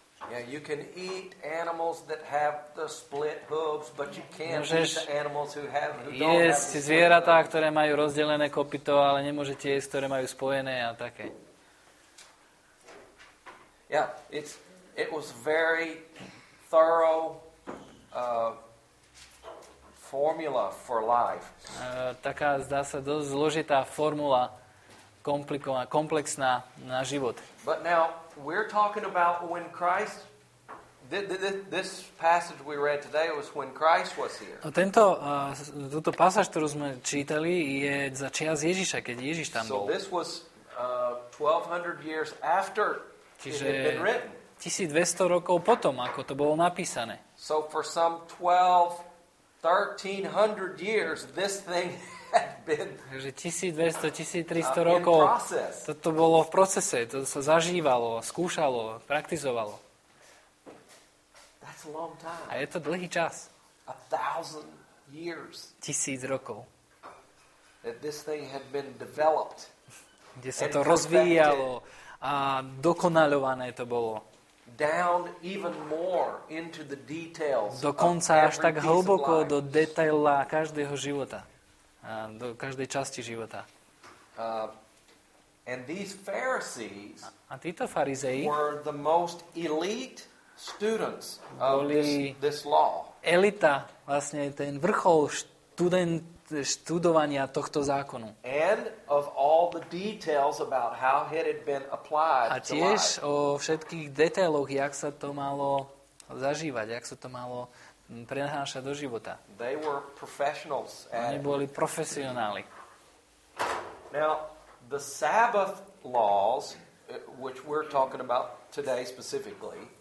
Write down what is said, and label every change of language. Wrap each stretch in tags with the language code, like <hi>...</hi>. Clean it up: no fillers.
<en>Yeah, you can eat animals that have the split hooves, but you can't eat the animals who have the don't have split hooves.</en> <sk>Zvieratá, ktoré majú rozdelené kopyto, ale nemôžete jesť, ktoré majú spojené a také.</sk> <en>Yeah, it was very thorough formula for life.</en> <sk>Taká zdá sa dosť zložitá formula, komplikovaná, komplexná na život.</sk> <en>But now we're talking about when Christ. This passage we read today was when Christ was here.</en> <sk>No, túto pasáž, ktorú sme čítali, je za čias Ježiša, keď Ježiš tam bol.</sk> <en>So this was 1200 years after</en> <sk>Čiže</sk> <en>it had been written.</en> <sk>1200 rokov potom, ako to bolo napísané.</sk> <en>So for some 1300 years this thing</en> <sk>Takže 1200, 1300 rokov toto bolo v procese, to sa zažívalo, skúšalo, praktizovalo.</sk> <en>That's a long time.</en> <sk>A je to dlhý čas.</sk> <en>A thousand years.</en> <sk>1000 rokov.</sk> <en>That this thing had been developed.</en> <sk>Kde sa to rozvíjalo a dokonaľované to bolo.</sk> <en>Down even more into the details.</en> <sk>Dokonca až tak hlboko do detaila každého života. A do každej časti života.</sk> <en>And these Pharisees</en> <sk>a títo farizei</sk> <en>were the most elite students of this law.</en> <sk>Elita, vlastne ten vrchol študovania tohto zákonu.</sk> <en>And of all the details about how it had been applied.</en> <sk>A tiež o všetkých detailoch, jak sa to malo zažívať, jak sa to malo prenáša do života.</sk> <en>They were professionals.</en> <sk>Oni boli profesionáli.</sk> <en>Now, the Sabbath laws, which we're talking about today specifically.</en>